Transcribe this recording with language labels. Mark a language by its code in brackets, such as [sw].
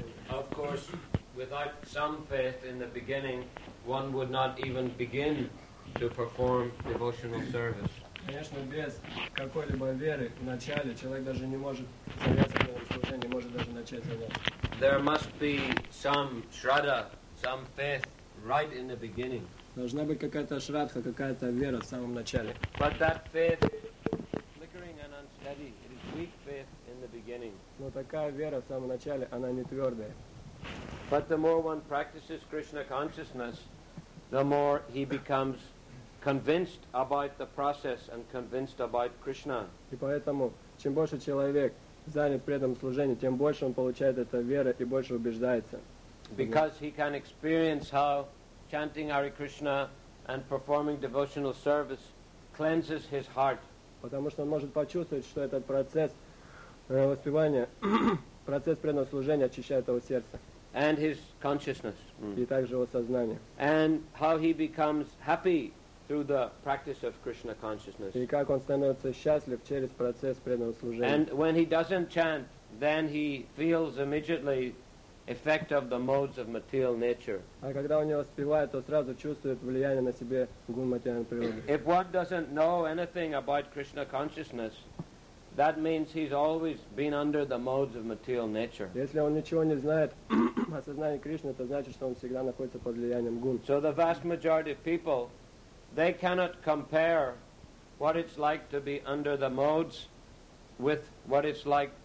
[en] Of course, without some faith in the beginning, one would not even begin to perform devotional service. [ru] Конечно, без какой-либо веры в начале человек даже не может заняться этим служением, не может даже начать заняться. [en] There must be some shraddha, some faith right in the beginning. [ru] Должна быть какая-то шрадха, какая-то вера в самом начале. [en] But that faith is flickering and unsteady. It is weak faith in the beginning. [ru] Но такая вера в самом начале, она не твердая. [en] But the more one practices Krishna consciousness, the more he becomes convinced about the process and convinced about Krishna. [ru] И поэтому, чем больше человек занят преданным служением, тем больше он получает эту веру и больше убеждается. [en] Because he can experience how chanting Hare Krishna and performing devotional service cleanses his heart. [ru] Потому что он может почувствовать, что этот процесс воспевания, процесс преданного служения очищает его сердце. [en] And his consciousness. [ru] И также его сознание. [en] And how he becomes happy through the practice of Krishna consciousness. [ru] И как он становится счастлив через процесс преданного служения. [en] And when he doesn't chant, then he feels immediately effect of the modes of material nature. [ru] А когда он не воспевает, то сразу чувствует влияние на себе гун материальной природы. [en] If one doesn't know anything about Krishna consciousness, that means he's always been under the modes of material nature. [ru] Если он ничего не знает о сознании Кришны, то значит, что он всегда находится под влиянием гун. [en] So the vast majority of people, they cannot compare what it's like to be under the modes with what it's like